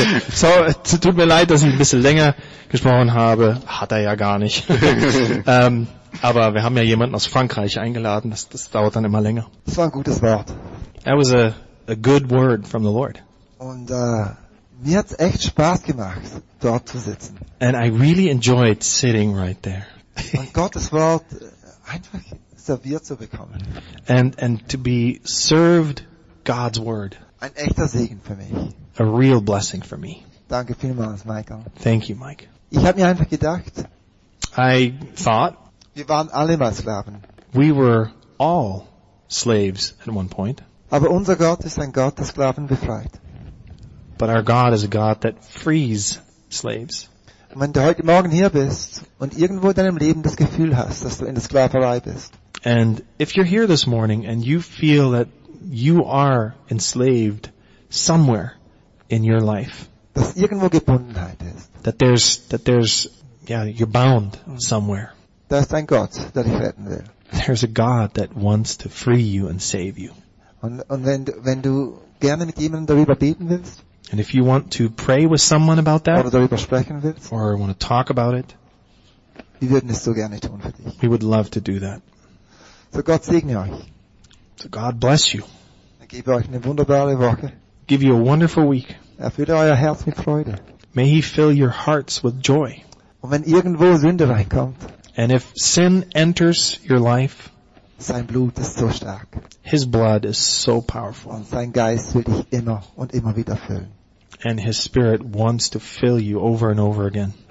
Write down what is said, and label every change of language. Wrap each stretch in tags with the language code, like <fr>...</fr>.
<de>So, es tut mir leid, dass ich ein bisschen länger gesprochen habe. Hat er ja gar nicht. aber wir haben ja jemanden aus Frankreich eingeladen. Das dauert dann immer länger. Das war ein gutes Wort.</de> <en>That was a good word from the Lord.</en> <de>Und mir hat's echt Spaß gemacht, dort zu sitzen.</de> <en>And I really enjoyed sitting right there.</en> <de>Und Gottes Wort einfach serviert zu bekommen.</de> <en>And to be served God's word.</en> <de>Ein echter Segen für mich.</de> <en>A real blessing for me.</en> <de>Danke vielmals, Michael.</de> <en>Thank you, Mike.</en> <de>Ich habe mir einfach gedacht.</de> <en>I thought.</en> <de>Wir waren alle mal Sklaven.</de> <en>We were all slaves at one point.</en> <de>Aber unser Gott ist ein Gott, der Sklaven befreit.</de> <en>But our God is a God that frees slaves.</en> <de>Und wenn du heute Morgen hier bist und irgendwo in deinem Leben das Gefühl hast, dass du in der Sklaverei bist.</de> <en>And if you're here this morning and you feel that you are enslaved somewhere in your life.</en> <de>Dass irgendwo Gebundenheit ist.</de> <en>That you're bound somewhere.</en> <de>Da ist ein Gott, der dich retten will.</de> <en>There's a God that wants to free you and save you.</en> <de>Und wenn du gerne mit jemandem darüber beten willst.</de> <en>And if you want to pray with someone about that,</en> <de>oder darüber sprechen willst,</de> <en>or want to talk about it,</en> <de>wir würden es so gerne tun für dich.</de> <en>We would love to do that.</en> <de>So Gott segne euch.</de> <en>So God bless you.</en> <de>Er gebe euch eine wunderbare Woche.</de> <en>Give you a wonderful week.</en> <de>Erfülle euer Herz mit Freude.</de> <en>May He fill your hearts with joy.</en> <de>Und wenn irgendwo Sünde reinkommt,</de> <en>and if sin enters your life,</en> <de>sein Blut ist so stark.</de> <en>His blood is so powerful.</en> <de>Und sein Geist will dich immer und immer wieder füllen.</de> <en>And His Spirit wants to fill you over and over again.</en>